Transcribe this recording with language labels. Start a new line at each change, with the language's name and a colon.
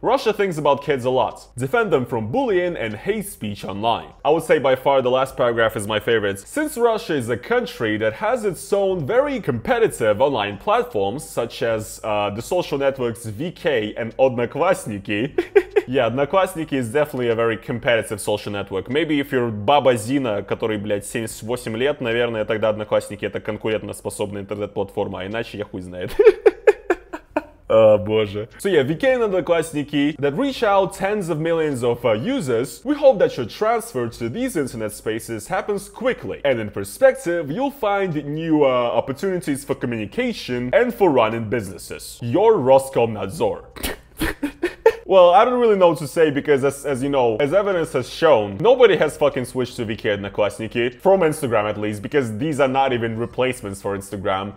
English: Russia thinks about kids a lot. Defend them from bullying and hate speech online. I would say by far the last paragraph is my favorite. Since Russia is a country that has its own very competitive online platforms, such as the social networks VK and Odnoklassniki. Yeah, Odnoklassniki is definitely a very competitive social network. Maybe if you're
Russian: Baba Zina, который, блядь, 78 лет, наверное, тогда Одноклассники это конкурентоспособная интернет-платформа, а иначе я хуй знает.
English: Oh,
Russian: боже.
English: So yeah, VK and Odnoklassniki that reach out tens of millions of users, we hope that your transfer to these internet spaces happens quickly. And in perspective, you'll find new opportunities for communication and for running businesses. Your Roskomnadzor. Well, I don't really know what to say because, as you know, as evidence has shown, nobody has fucking switched to VK Odnoklassniki, from Instagram at least, because these are not even replacements for Instagram.